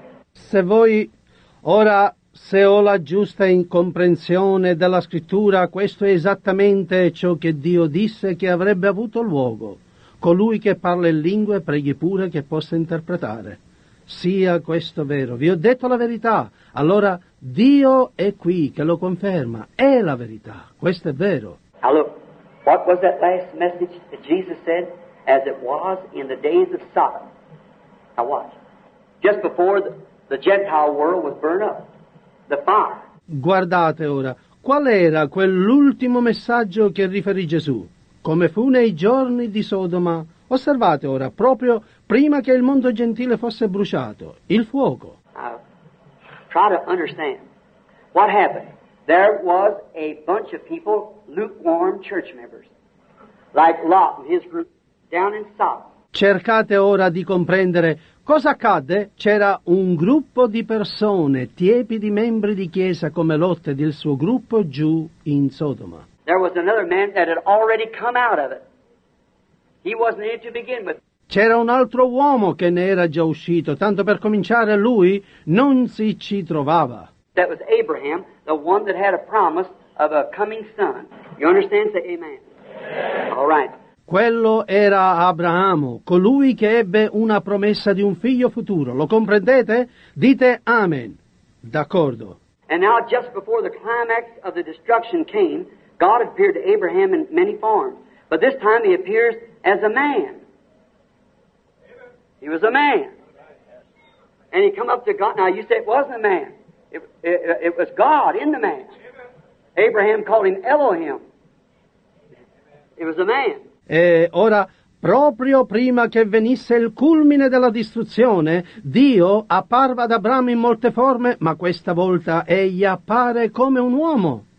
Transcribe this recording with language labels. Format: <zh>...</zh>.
<it>Se voi ora, se ho la giusta comprensione della scrittura, questo è esattamente ciò che Dio disse che avrebbe avuto luogo. Colui che parla in lingue preghi pure che possa interpretare. Sia questo vero. Vi ho detto la verità. Allora Dio è qui che lo conferma. È la verità. Questo è vero. Allora,</it> <en>what was that last message that Jesus said? as it was in the days of Sodom. Now watch. Just before the Gentile world was burned up. The fire.</en> <it>Guardate ora. Qual era quell'ultimo messaggio che riferì Gesù? Come fu nei giorni di Sodoma? Osservate ora, proprio prima che il mondo gentile fosse bruciato, il fuoco.</it> <en>Try to understand what happened. There was a bunch of people, lukewarm church members, like Lot and his group, down in Sodom.</en> <it>Cercate ora di comprendere cosa accadde. C'era un gruppo di persone, tiepidi membri di chiesa come Lot ed il suo gruppo giù in Sodoma.</it> <en>There was another man that had already come out of it. He wasn't in to begin with.</en> <it>C'era un altro uomo che ne era già uscito, tanto per cominciare lui non si ci trovava.</it> <en>That was Abraham, the one that had a promise of a coming son. You understand? Say amen. All right.</en> <it>Quello era Abramo, colui che ebbe una promessa di un figlio futuro. Lo comprendete? Dite amen. D'accordo.</it> <en>And now just before the climax of the destruction came, God appeared to Abraham in many forms. But this time he appears as a man. He was a man. And he come up to God. Now you say it wasn't a man. It was God in the man. Abraham called him Elohim. It was a man.</en> <it>E ora, proprio prima che venisse il culmine della distruzione, Dio apparve ad Abramo in molte forme, ma questa volta egli appare come un uomo.</it>